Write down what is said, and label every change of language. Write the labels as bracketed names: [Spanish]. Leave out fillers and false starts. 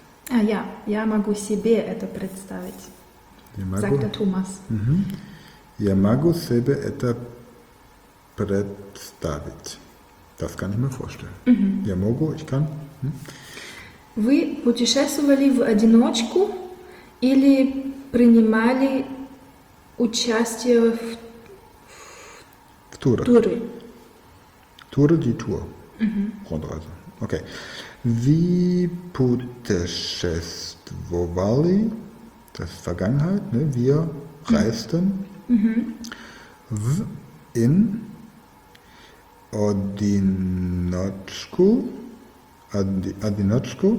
[Russian] А я, я могу себе это представить, [German] sagte Thomas. Mm-hmm. [Russian] Я могу себе это представить. [German] Das kann ich mir vorstellen. Mm-hmm. [Russian] Я могу, [German] ich kann. Mm-hmm. [Russian] Вы путешествовали в одиночку или принимали участие в туре? [German] Туре, die Tour. Mm-hmm. Rundreise. Okay. Wie putešestvovali, das ist Vergangenheit, ne? Wir reisten mhm. [Russian] v in Odinočku, Odinočku,